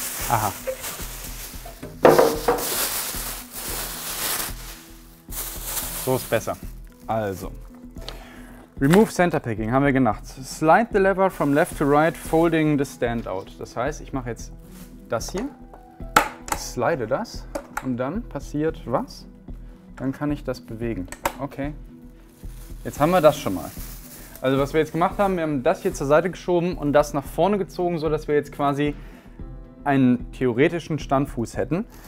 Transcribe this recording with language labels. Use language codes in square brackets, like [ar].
[de] Aha. So ist besser. Also. [en] Remove center picking, [de] haben wir gemacht. [en] Slide the lever from left to right, folding the standout. [de] Das heißt, ich mache jetzt das hier, slide das und dann passiert was? Dann kann ich das bewegen. Okay, jetzt haben wir das schon mal. Also was wir jetzt gemacht haben, wir haben das hier zur Seite geschoben und das nach vorne gezogen, sodass wir jetzt quasi einen theoretischen Standfuß hätten.